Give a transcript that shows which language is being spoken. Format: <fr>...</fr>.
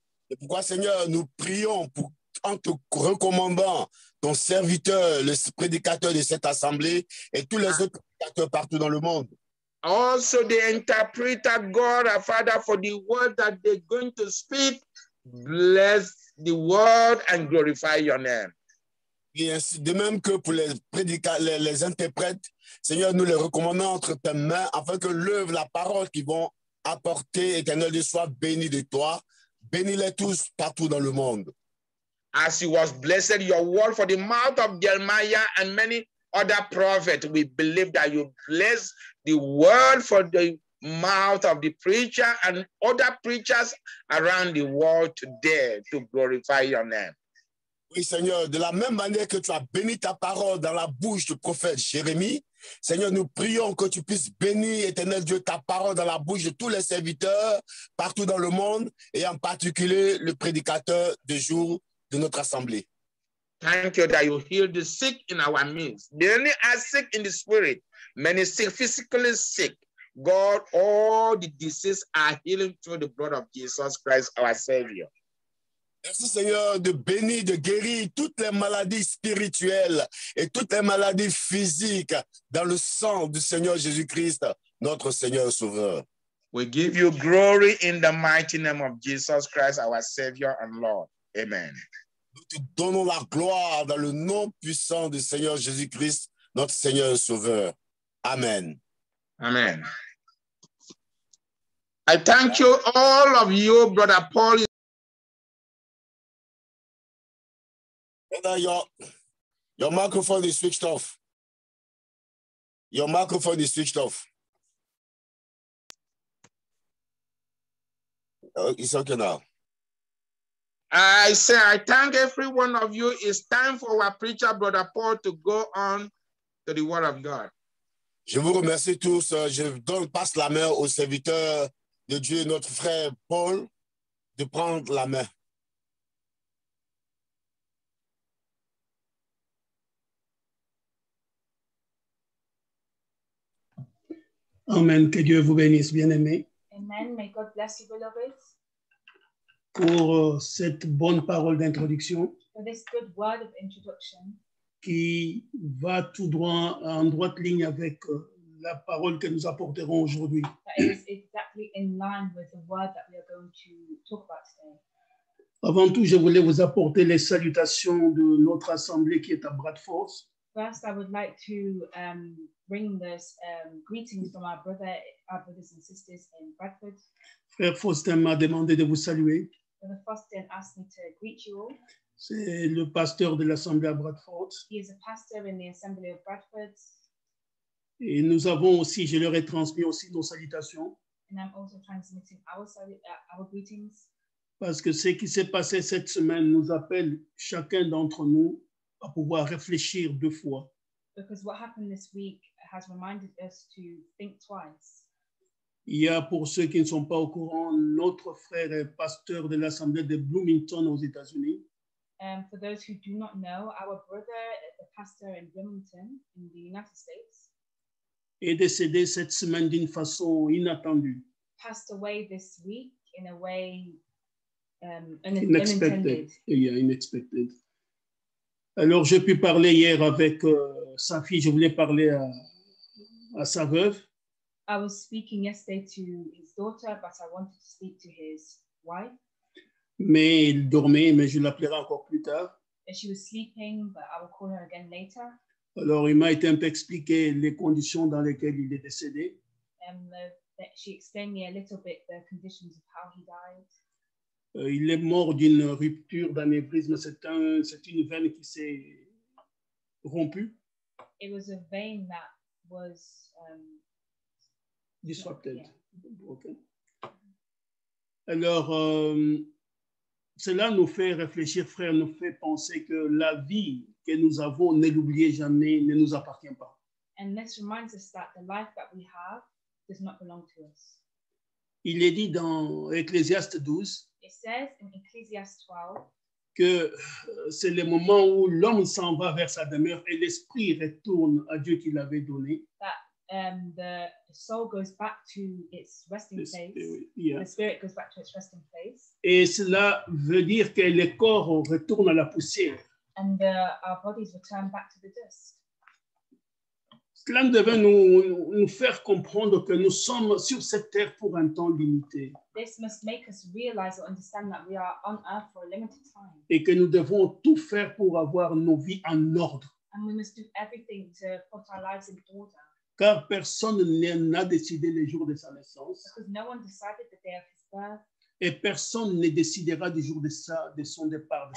<fr>Et pourquoi, Seigneur, nous prions pour, en te recommandant ton serviteur, le prédicateur de cette assemblée et tous les autres prédicateurs partout dans le monde.</fr> <en>Also the interpreter, God, our Father, for the word that they're going to speak, bless the word and glorify your name.</en> <fr>Et ainsi, de même que pour les interprètes, Seigneur, nous les recommandons entre tes mains afin que l'œuvre, la parole qu'ils vont apporter, éternel Dieu, soit bénie de toi. Bénis-les tous partout dans le monde.</fr> <en>As you was blessed your word for the mouth of Jeremiah and many other prophets, we believe that you bless the word for the mouth of the preacher and other preachers around the world today to glorify your name.</en> <fr>Oui, Seigneur, de la même manière que tu as béni ta parole dans la bouche du prophète Jérémie, Seigneur, nous prions que tu puisses bénir, éternel Dieu, ta parole dans la bouche de tous les serviteurs partout dans le monde et en particulier le prédicateur du jour de notre assemblée.</fr> <en>Thank you that you heal the sick in our midst. Many are sick in the spirit, many sick physically sick. God, all the diseases are healing through the blood of Jesus Christ, our Savior.</en> <fr>Merci, Seigneur, de bénir, de guérir toutes les maladies spirituelles et toutes les maladies physiques dans le sang du Seigneur Jésus-Christ, notre Seigneur Sauveur.</fr> <en>We give you glory in the mighty name of Jesus Christ, our Savior and Lord. Amen.</en> <fr>Nous te donnons la gloire dans le nom puissant du Seigneur Jésus-Christ, notre Seigneur Sauveur. Amen. Amen.</fr> <en>I thank you, all of you, Brother Paul. Brother, your microphone is switched off. Your microphone is switched off. It's okay now. I say I thank every one of you. It's time for our preacher, Brother Paul, to go on to the word of God.</en> <fr>Je vous remercie tous. Je donne passe la main au serviteur de Dieu, notre frère Paul, de prendre la main. Amen. Que Dieu vous bénisse, bien-aimés.</fr> <en>Amen. May God bless you, beloved.</en> <fr>Pour cette bonne parole d'introduction.</fr> <en>For this good word of introduction.</en> <fr>Qui va tout droit en droite ligne avec la parole que nous apporterons aujourd'hui.</fr> <en>That is exactly in line with the word that we are going to talk about today.</en> <fr>Avant tout, je voulais vous apporter les salutations de notre assemblée qui est à Bradford.</fr> <en>First, I would like to bring this greetings from our brothers and sisters in Bradford.</en> <fr>Frère Faustin m'a demandé de vous saluer.</fr> <en>Brother Faustin asked me to greet you all.</en> <fr>C'est le pasteur de l'assemblée à Bradford.</fr> <en>He is a pastor in the assembly of Bradford.</en> <fr>Et nous avons aussi, je leur ai transmis aussi nos salutations.</fr> <en>And I'm also transmitting our greetings.</en> <fr>Parce que ce qui s'est passé cette semaine nous appelle chacun d'entre nous à pouvoir réfléchir deux fois.</fr> <en>Because what happened this week has reminded us to think twice.</en> <fr>Il y a, pour ceux qui ne sont pas au courant, notre frère est pasteur de l'Assemblée de Bloomington aux États-Unis.</fr> <en>For those who do not know, our brother, the pastor in Bloomington, in the United States,</en> <fr>est décédé cette semaine d'une façon inattendue.</fr> <en>Passed away this week in a way unexpected. Yeah, unexpected.</en> <fr>Alors, j'ai pu parler hier avec sa fille. Je voulais parler à sa veuve.</fr> <en>I was speaking yesterday to his daughter, but I wanted to speak to his wife.</en> <fr>Mais il dormait, mais je l'appellerai encore plus tard.</fr> <en>And she was sleeping, but I will call her again later.</en> <fr>Alors, il m'a été un peu expliqué les conditions dans lesquelles il est décédé.</fr> <en>She explained me a little bit the conditions of how he died.</en> <fr>Il est mort d'une rupture d'anévrisme, c'est une veine qui s'est rompue.</fr> <en>It was a vein that was disrupted. Yeah. Okay.</en> <fr>Alors, cela nous fait réfléchir, frère, nous fait penser que la vie que nous avons, ne l'oubliez jamais, ne nous appartient pas.</fr> <en>And this reminds us that the life that we have does not belong to us.</en> <fr>Il est dit dans Ecclésiaste 12,</fr> <en>it says in Ecclesiastes 12</en> <fr>que c'est le moment où l'homme s'en va vers sa demeure et l'esprit retourne à Dieu qui l'avait donné.</fr> <en>That the soul goes back to its resting place. The spirit goes back to its resting place.</en> <fr>Et cela veut dire que le corps retourne à la poussière.</fr> <en>And our bodies return back to the dust.</en> <fr>Cela devait nous faire comprendre que nous sommes sur cette terre pour un temps limité.</fr> <en>This must make us realize or understand that we are on earth for a limited time.</en> <fr>Et que nous devons tout faire pour avoir nos vies en ordre.</fr> <en>And we must do everything to put our lives in order.</en> <fr>Car personne n'a décidé les jours de sa naissance.</fr> <en>Because no one decided the day of his birth.</en> <fr>Et personne ne décidera du jour de son départ, de</fr>